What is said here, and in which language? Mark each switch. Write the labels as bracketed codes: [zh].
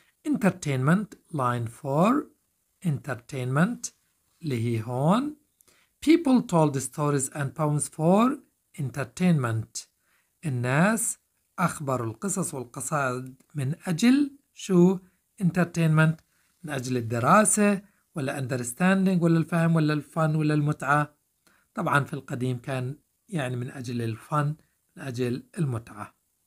[en] Entertainment, line 4. Entertainment, [ar] اللي هي هون. [en] People told stories and poems for entertainment. [ar] الناس أخبروا القصص والقصائد من أجل شو؟ Entertainment, من أجل الدراسة ولا understanding ولا الفهم ولا الفن ولا المتعة. طبعا في القديم كان يعني من أجل الفن من أجل المتعة.